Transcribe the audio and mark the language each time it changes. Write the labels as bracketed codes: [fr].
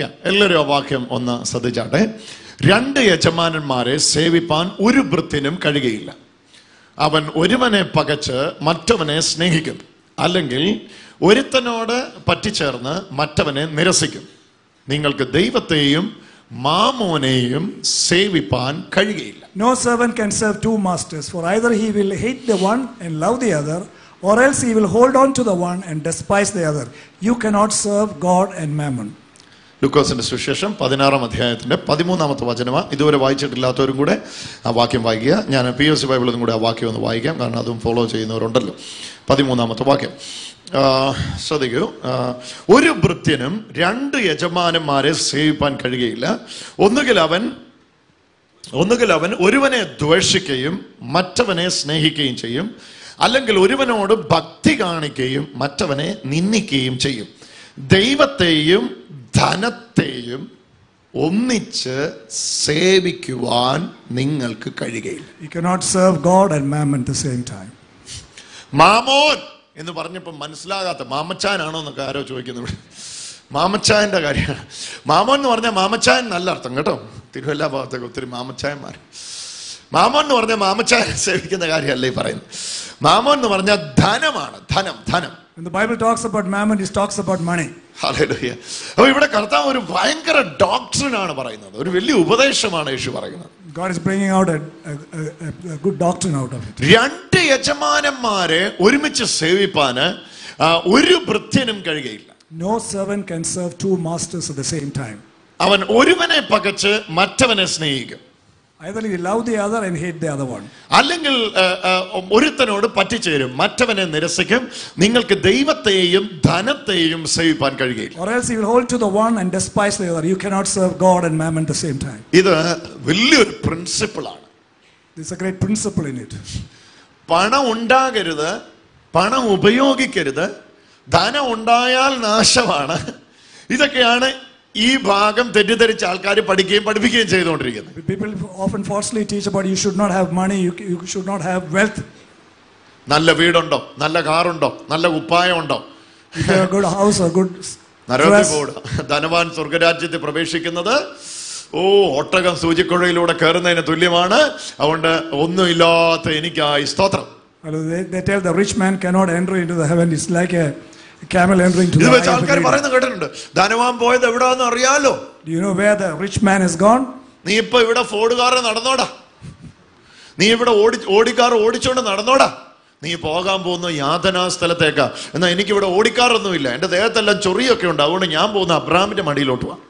[ml] എല്ലാവരും ആ വാക്യം ഒന്ന് ശ്രദ്ധിച്ചാട്ടെ. രണ്ട് യജമാനന്മാരെ സേവിപ്പാൻ ഒരു വൃത്തിനും കഴിയുകയില്ല. അവൻ ഒരുവനെ പകച്ച് മറ്റവനെ സ്നേഹിക്കും, അല്ലെങ്കിൽ ഒരുത്തനോട് പറ്റിച്ചേർന്ന് മറ്റവനെ നിരസിക്കും. നിങ്ങൾക്ക് ദൈവത്തെയും മാമോനെയും സേവിപ്പാൻ കഴിയുകയില്ല. [en] No servant can serve two masters, for either he will hate the one and love the other, or else he will hold on to the one and despise the other. You cannot serve God and mammon. [ml] ലൂക്കോസിന്റെ സുവിശേഷം 16-ാം അധ്യായത്തിന്റെ 13-ാമത്തെ വചനമാണ്. ഇതുവരെ വായിച്ചിട്ടില്ലാത്തവരും കൂടെ ആ വാക്യം വായിക്കുക. ഞാൻ PUC ബൈബിളും കൂടെ ആ വാക്യം ഒന്ന് വായിക്കാം, കാരണം അതും ഫോളോ ചെയ്യുന്നവരുണ്ടല്ലോ. 13-ാമത്തെ വാക്യം ശ്രദ്ധിക്കൂ. ഒരു വൃത്യനും രണ്ട് യജമാനന്മാരെ സേവിപ്പാൻ കഴിയുകയില്ല. ഒന്നുകിൽ അവൻ ഒരുവനെ ദ്വേഷിക്കുകയും മറ്റവനെ സ്നേഹിക്കുകയും ചെയ്യും, അല്ലെങ്കിൽ ഒരുവനോട് ഭക്തി കാണിക്കുകയും മറ്റവനെ നിന്ദിക്കുകയും ചെയ്യും. ദൈവത്തെയും ധനത്തെയും ഒന്നിച്ച് സേവിക്കുവാൻ നിങ്ങൾക്ക് കഴിയുകയില്ല. [en] You cannot serve God and mammon at the same time. [ml] Mammon എന്ന് പറഞ്ഞപ്പോ മനസ്സിലാകാത്ത മാമച്ചാനാണോ എന്നൊക്കെ ആരോ ചോദിക്കുന്നു. മാമച്ചായന്റെ കാര്യമാണ്. മാമോൻ എന്ന് പറഞ്ഞാൽ മാമച്ചായൻ നല്ല അർത്ഥം കേട്ടോ. തിരുവല്ല ഭാഗത്തൊക്കെ ഒത്തിരി മാമച്ചായന്മാർ. മാമോൻ എന്ന് പറഞ്ഞാൽ മാമച്ചായൻ സേവിക്കുന്ന കാര്യമല്ലേ പറയുന്നത്. മാമോൻ എന്ന് പറഞ്ഞാൽ ധനമാണ്, ധനം. [en] When the Bible talks about mammon, it talks about money. Hallelujah. [ml] അപ്പോൾ ഇവിടെ കർത്താവ് ഒരു ഭയങ്കര ഡോക്ട്രിൻ ആണ് പറയുന്നത്, ഒരു വലിയ ഉപദേശമാണ് യേശു പറയുന്നത്. [en] God is bringing out a good doctrine out of it. [ml] രണ്ട് യജമാനന്മാരെ ഒരുമിച്ച് സേവിപ്പാന് ഒരു വൃത്യനും കഴിയയില്ല. [en] No servant can serve two masters at the same time. [ml] അവൻ ഒരുവനെ പകച്ച് മറ്റവനെ സ്നേഹിക്കും. [en] Either he love the other and hate the other one. [ml] അല്ലെങ്കിൽ ഒരുത്തനോട് പറ്റിച്ചേരും മറ്റവനെ നിരസിക്കും. നിങ്ങൾക്ക് ദൈവത്തെയും ധനത്തെയും സേവിപ്പാൻ കഴിയില്ല. [en] Or else he will hold to the one and despise the other. You cannot serve God and mammon at the same time. [ml] ഇത് വലിയൊരു principle ആണ്. [en] This is a great principle in it. [ml] പണം ഉണ്ടാകരുത്, പണം ഉപയോഗിക്കരുത്, ധനം ഉണ്ടായാൽ നാശമാണ്. ഇതൊക്കെയാണ് ഈ ഭാഗം തെറ്റിദ്ധരിച്ച് ആൾക്കാർ പഠിക്കുകയും പഠിപ്പിക്കുകയും ചെയ്തുകൊണ്ടിരിക്കുന്നത്. [en] People often falsely teach about you should not have money, you should not have wealth. [ml] നല്ല വീടുണ്ടോ, നല്ല കാർ ഉണ്ടോ, നല്ല കുപ്പായം ഉണ്ടോ, [en] good house or good [ml] നരകത്തിൽ പോകുക. ധനവാൻ സ്വർഗരാജ്യത്തിൽ പ്രവേശിക്കുന്നത് ഓ ഒട്ടകം സൂചിക്കുഴയിലൂടെ കയറുന്നതിന് തുല്യമാണ്. അതുകൊണ്ട് ഒന്നും ഇല്ലാത്ത എനിക്കായി സ്തോത്രം. [en] They tell the rich man cannot enter into the heaven. It's like a camel entering to the [ml] ആൾക്കാർ പറയുന്നത് കേട്ടിട്ടുണ്ട്. ധനവാൻ പോയത് എവിടാന്ന് അറിയാലോ. [en] Do you know where the rich man has gone? [ml] നീ ഇപ്പോ ഇവിടെ ഫോർഡ് കാറ് നടന്നോടാ, നീ ഇവിടെ ഓടിക്കാർ ഓടിച്ചോണ്ട് നടന്നോടാ. നീ പോകാൻ പോകുന്ന യാതനാ സ്ഥലത്തേക്ക. എന്നാ എനിക്കിവിടെ ഓടിക്കാറൊന്നുമില്ല, എന്റെ ദേഹത്തെല്ലാം ചൊറിയൊക്കെ ഉണ്ട്, അതുകൊണ്ട് ഞാൻ പോകുന്ന അബ്രഹാമിന്റെ മടിയിലോട്ട്